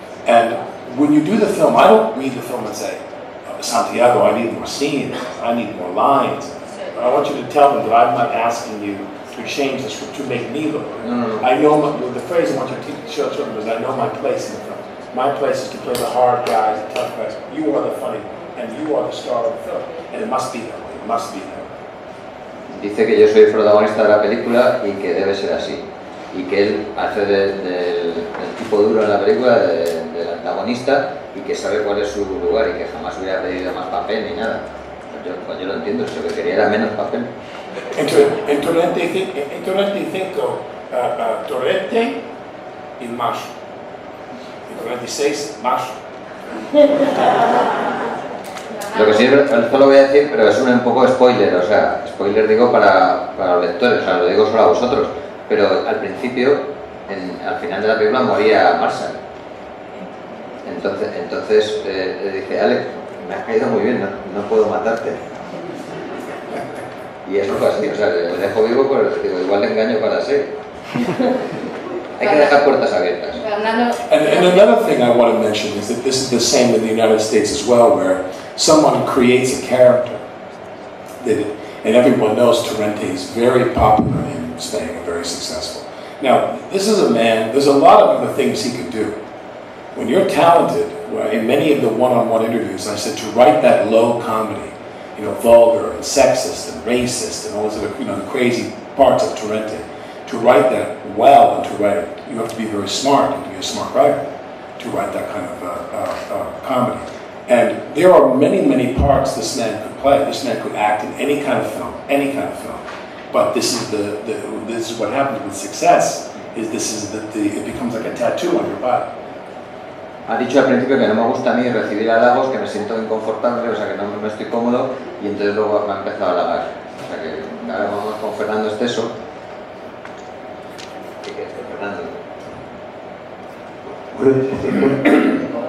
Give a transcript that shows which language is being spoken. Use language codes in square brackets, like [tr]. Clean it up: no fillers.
[en] And when you do the film, I don't read the film and say, Santiago, I need more scenes, I need more lines, but I want you to tell them that I'm not asking you to change the script to make me look. No. I know the phrase I want to show children is I know my place in the film. My place is to play the hard guys, the tough guys. You are the funny, and you are the star of the film. And it must be that way. It must be that way. [es] Dice que yo soy el protagonista de la película y que debe ser así. Y que él hace del tipo duro en la película, del antagonista, y que sabe cuál es su lugar y que jamás hubiera pedido más papel ni nada. Pues yo lo entiendo, si lo que quería era menos papel. En Torrente 5, Torrente y Macho. En Torrente 6, Macho. Lo que sí, esto lo voy a decir, pero es un poco spoiler, o sea, spoiler digo para los lectores, o sea, lo digo solo a vosotros, pero al principio, al final de la película, moría Marshall. Entonces le dije, Alex, me has caído muy bien, no puedo matarte. Y eso fue así, o sea, le dejo vivo, pero digo, igual le engaño para ser. Hay que dejar puertas abiertas. [en] And another thing I want to mention is that this is the same in the United States as well, where someone creates a character. And everyone knows Torrente is very popular in Spain, very successful. Now, this is a man, there's a lot of other things he could do. When you're talented, in many of the one-on-one interviews, I said to write that low comedy, you know, vulgar and sexist and racist and all those other, you know, the crazy parts of Torrente, to write that well and to write it, you have to be very smart and to be a smart writer to write that kind of comedy. And there are many, many parts this man could play. This man could act in any kind of film, any kind of film. But this is this is what happens with success, is this is it becomes like a tattoo on your body. [es] Ha dicho al principio que no me gusta a mí recibir halagos, que me siento inconfortable, o sea, que no me estoy cómodo, y entonces luego me ha empezado a halagar. O sea, que ahora vamos con Fernando Esteso. ¿Qué quieres decir, Fernando?